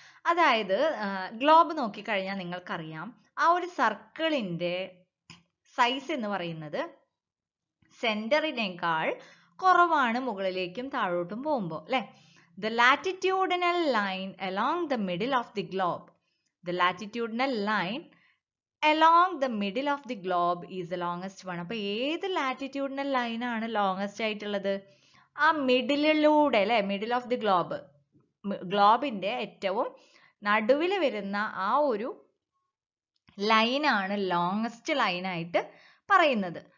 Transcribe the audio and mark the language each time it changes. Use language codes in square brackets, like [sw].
[ml] അതായത് ഗ്ലോബ് നോക്കിക്കഴിഞ്ഞാൽ നിങ്ങൾക്കറിയാം ആ ഒരു സർക്കിളിന്റെ സൈസ് എന്ന് പറയുന്നത് സെന്ററിനേക്കാൾ കുറവാണ് മുകളിലേക്കും താഴോട്ടും പോകുമ്പോൾ അല്ലെ. [en] The latitudinal line along the middle of the globe, the latitudinal line Along the middle of the globe is the longest one. [ml] അപ്പോൾ ഏത് ലാറ്റിറ്റ്യൂഡിനെ ലൈൻ ആണ് ലോങ്ങസ്റ്റ് ആയിട്ടുള്ളത്? ആ മിഡിലിലൂടെ അല്ലേ, [en] middle of the globe, [ml] ഗ്ലോബിന്റെ ഏറ്റവും നടുവിൽ വരുന്ന ആ ഒരു ലൈനാണ് ലോങ്ങസ്റ്റ് ലൈനായിട്ട് പറയുന്നത്.